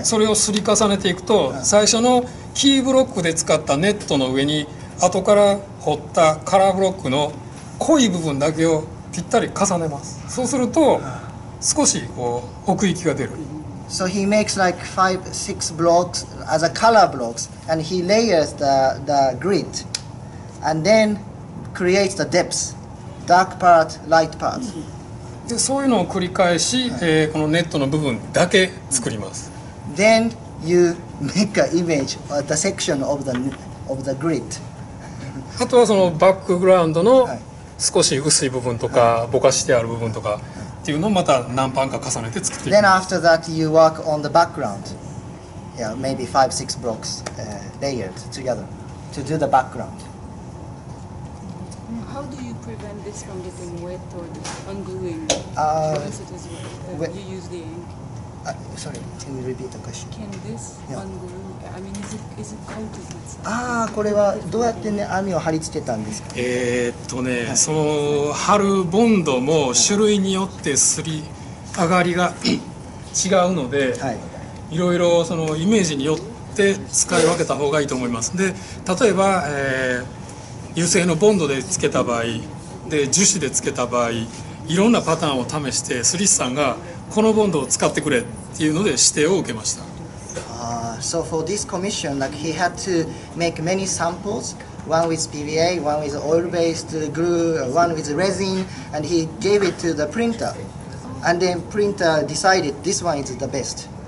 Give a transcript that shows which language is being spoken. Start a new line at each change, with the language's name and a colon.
Japanese: い、それを刷り重ねていくと、最初のキーブロックで使ったネットの上に後から彫ったカラーブロックの濃い部分だけをぴったり重ねます。そうすると。少しこう奥行きが出る。
English: So he makes like five, six blocks as a color blocks, and he layers the grid, and then creates the depths, dark part, light part.
Japanese: で、そういうのを繰り返し、このネットの部分だけ作ります。
English: Then you make an image of the section of the grid.
Japanese: あとはそのバックグラウンドの少し薄い部分とか、ぼかしてある部分とか。っていうのをまた何パンか重ねて作っていく。
English: Then after that you work on the background. Yeah, maybe five, six blocks layered together to do the background. How do you prevent this from getting wet or ungluing? You use the ink. Sorry, can you repeat the question? Can this unglue? I mean, is it coated with?
Japanese: ああ、これはどうやってね網を貼り付けたんですか。ね、はい、その貼るボンドも種類によってすり上がりが違うので、はい、いろいろそのイメージによって使い分けた方がいいと思います。で、例えば、油性のボンドでつけた場合、で樹脂でつけた場合、いろんなパターンを試してスリスさんがこのボンドを使ってくれっていうので指定を受けました。
English: So for this commission, like he had to make many samples one with PVA, one with oil-based glue, one with resin, and he gave it to the printer. And then printer decided this one is the best.